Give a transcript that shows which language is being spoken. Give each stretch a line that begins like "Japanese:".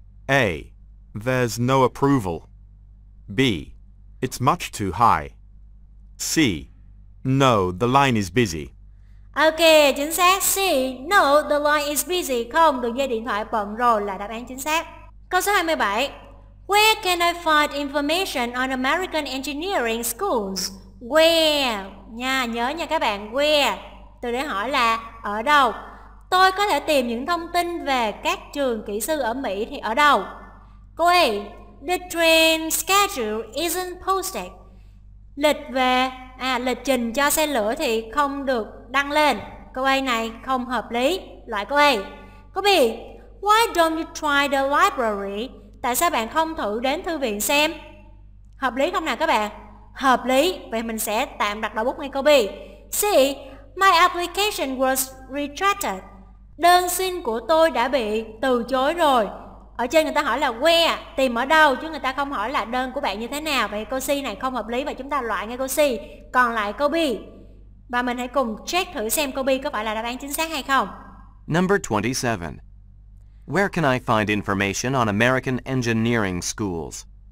English: A. There's no approval. B. It's much too high. C. No, the line is busy. Ok,
Vietnamese: chính xác.
English: C. No, the line is busy.
Vietnamese: Không, đường dây điện thoại bận rồi là đáp án chính xác. Câu số 27.
English: Where can I find information on American engineering schools?
Vietnamese: Where? Nha, nhớ nha các bạn. Where? Từ để hỏi là ở đâu? Tôi có thể tìm những thông tin về các trường kỹ sư ở Mỹ thì ở đâu? Câu A.
English: The train schedule isn't posted.
Vietnamese: Lịch trình cho xe lửa thì không được đăng lên. Câu A này không hợp lý. Loại câu A. Câu B.
English: Why don't you try the library?
Vietnamese: Tại sao bạn không thử đến thư viện xem? Hợp lý không nào các bạn? Hợp lý. Vậy mình sẽ tạm đặt đầu bút ngay câu B. C.
English: My application was rejected.
Vietnamese: Đơn xin của tôi đã bị từ chối rồi. Ở trên người ta hỏi là where, tìm ở đâu, chứ người ta không hỏi là đơn của bạn như thế nào. Vậy câu C này không hợp lý và chúng ta loại ngay câu C. Còn lại câu B. Và mình hãy cùng check thử xem câu B có phải là đáp án chính xác hay không.
English: Number 27. Where can I find information on American engineering schools?